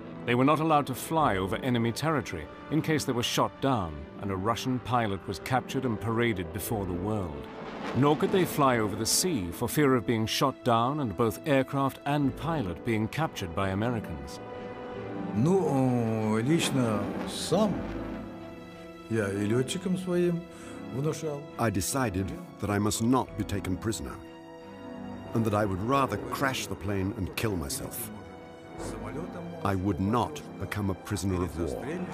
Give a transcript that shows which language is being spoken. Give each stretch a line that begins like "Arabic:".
English: They were not allowed to fly over enemy territory in case they were shot down and a Russian pilot was captured and paraded before the world. Nor could they fly over the sea for fear of being shot down and both aircraft and pilot being captured by Americans.
Russian: Ну, лично сам я и летчикам своим внушал.
English: I decided that I must not be taken prisoner and that I would rather crash the plane and kill myself. I would not become a prisoner of war.